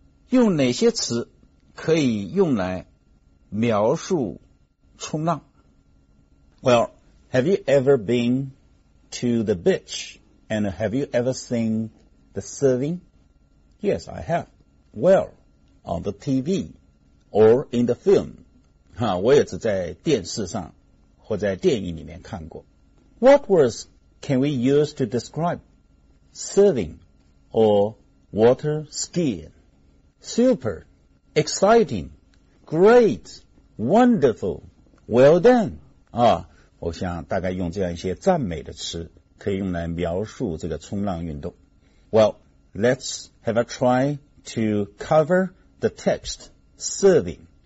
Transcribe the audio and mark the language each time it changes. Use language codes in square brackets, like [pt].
[zh] 用哪些词可以用来描述冲浪？ [en] Well, have you ever been to the beach and have you ever seen the surfing? Yes, I have. Well, on the TV or in the film. [zh] 哈，我也是在电视上或在电影里面看过。 [en] What words can we use to describeSurfing or water skiing. Super, exciting, great, wonderful, well done. [zh] 啊，我想大概用这样一些赞美的词可以用来描述这个冲浪运动。 [en] Well, let's have a try to cover the text, surfing.